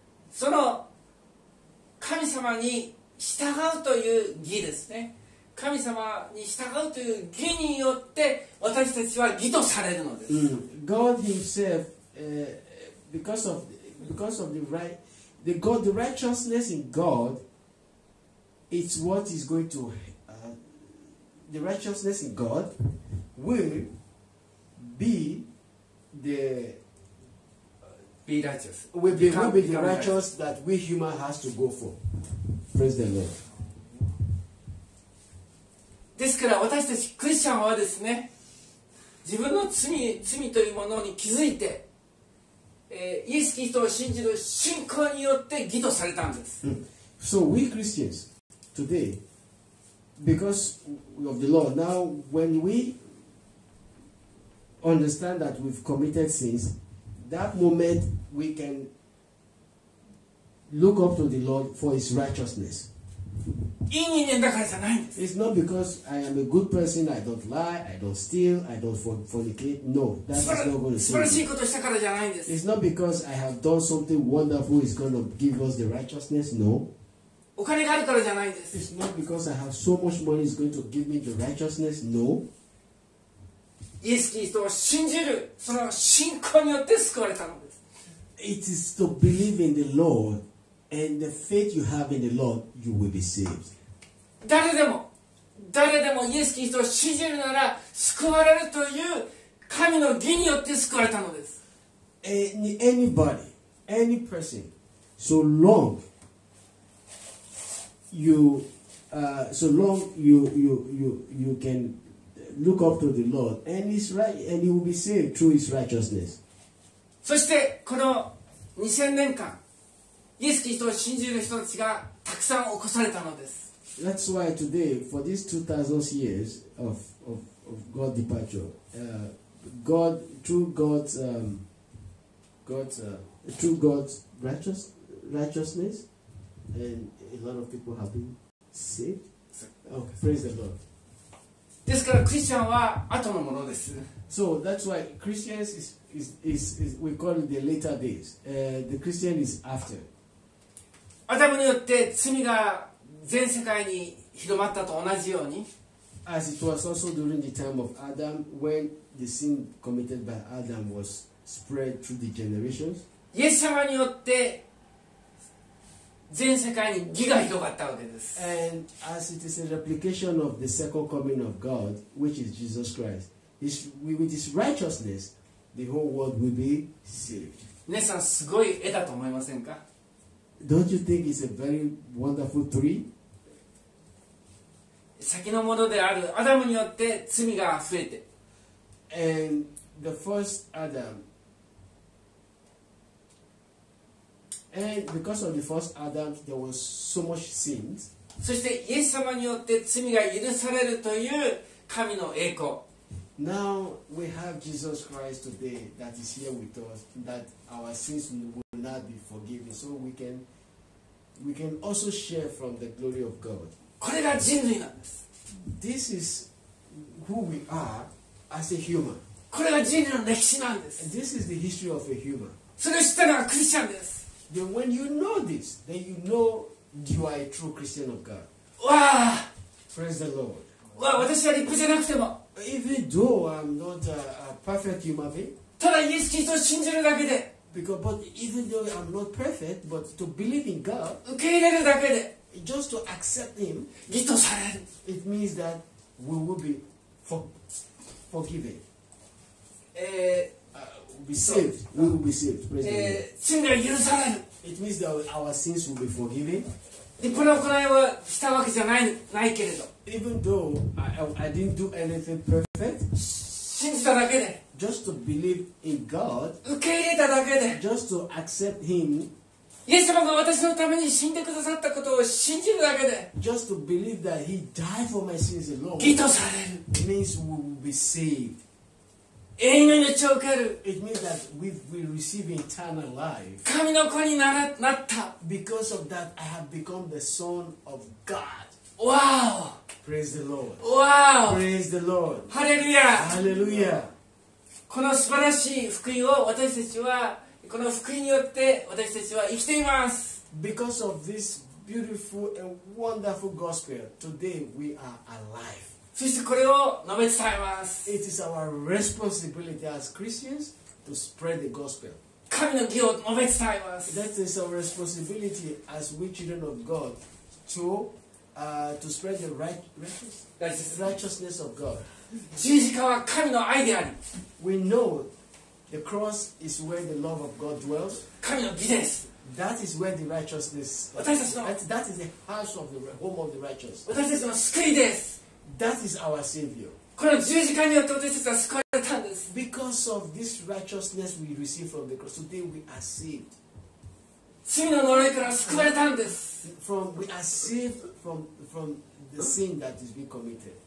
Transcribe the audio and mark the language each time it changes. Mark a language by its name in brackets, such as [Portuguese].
[Japanese] その神様に従うという義ですね。神様に従うという義によって私たちは義とされるのです。 [English] God himself, because of the right, the God, the righteousness in God, it's what is going to, the righteousness in God will be the Will be the righteous that we human has to go for. Praise the Lord. [Japanese] ですから私たちクリスチャンはですね、自分の罪というものに気づいて、イエスキリストを信じる信仰によって義とされたんです。 [English] So we Christians today, because of the law, now when we understand that we've committed sins, that moment we can look up to the Lord for His righteousness. It's not because I am a good person, I don't lie, I don't steal, I don't fornicate. No, that is not going to save me. It's not because I have done something wonderful, it's going to give us the righteousness. No. It's not because I have so much money, it's going to give me the righteousness. No. [Japanese] イエス・キリストを信じる、その信仰によって救われたのです。 [English] It is to believe in the Lord, and the faith you have in the Lord, you will be saved. [Japanese] 誰でもイエス・キリストを信じるなら救われるという神の義によって救われたのです。 [English] Anybody, any person, so long you can look up to the Lord, and he's right, and he will be saved through his righteousness. [Japanese] そしてこの2000年間、イエス・キリストを信じる人たちがたくさん起こされたのです。 [English] That's why today, for these 2000 years of God's departure, God through God's righteousness, and a lot of people have been saved. Okay, praise the Lord. [Japanese] ですからクリスチャンは後のものです。 [English] So that's why Christians is we call it the later days.、the Christian is after. [Japanese] アダムによって罪が全世界に広まったと同じように。 [English] As it was also during the time of Adam when the sin committed by Adam was spread through the generations. [Japanese] イエス様によって全世界に義が広がったわけです。 [English] And as it is a replication of the second coming of God, which is Jesus Christ, with His righteousness, the whole world will be saved. [Japanese] 皆さん、すごい絵だと思いませんか? [English] Don't you think it's a very wonderful tree? [Japanese] 先のものであるアダムによって罪が増えて。 [English] And the first Adam,And because of the first Adam, there was so much sins. [Japanese] そしてイエス様によって罪が許されるという神の栄光。 [English] Now we have Jesus Christ today that is here with us, that our sins will not be forgiven, so we can also share from the glory of God. [Japanese] これが人類なんです。 [English] This is who we are as a human. [Japanese] これが人類の歴史なんです。 [English] And this is the history of a human. [Japanese] それを知ったのはクリスチャンです。 [English] Then when you know this, then you know you are a true Christian of God. Wow! Praise the Lord. [Japanese] Wow, 私は立派じゃなくても。 [English] Even though I'm not a perfect human being. [Japanese] ただイエス・キリストを信じるだけで。 [English] Because, but even though I'm not perfect, but to believe in God. [Japanese] 受け入れるだけで。 [English] Just to accept Him. [Japanese] 義とされる。 [English] It means that we will be forgiven. We will be saved. Praise the Lord. It means that our sins will be forgiven. [Japanese] 立派な行いをしたわけじゃないけれど。 [English] Even though I didn't do anything perfect. [Japanese] 信じただけで。 [English] Just to believe in God. [Japanese] 受け入れただけで。 [English] Just to accept Him. [Japanese] イエス様が私のために死んでくださったことを信じるだけで。 [English] Just to believe that He died for my sins alone. [Japanese] 義とされる。 [English] It means we will be saved. [Japanese] 永遠の命を受ける。 [English] It means that we receive eternal life. [Japanese] 神の子になった。 [English] Because of that, I have become the son of God. Wow! Praise the Lord. Wow! Praise the Lord. Hallelujah! Hallelujah! [Japanese] この素晴らしい福音を私たちはこの福音によって私たちは生きています。 [English] Because of this beautiful and wonderful gospel, today we are alive. [Japanese] そしてこれを述べ伝えます。 [English] It is our responsibility as Christians to spread the gospel. [Japanese] 神の義を述べ伝えます。 [English] That is our responsibility as we children of God to spread the righteousness of God. [Japanese] 十字架は神の愛であり。 [English] We know the cross is where the love of God dwells. [Japanese] 神の義です。 [English] That is where the righteousness. [Japanese] 私たちの。 [English] That is the house of the home of the righteous. [Japanese] 私たちの救いです。 [English] That is our Savior. [Japanese] この十字架によって私たちは救われたんです。 [English] Because of this righteousness we receive from the cross, today we are saved. [Japanese] 罪の呪いから救われたんです。 [English] We are saved from the sin that is being committed.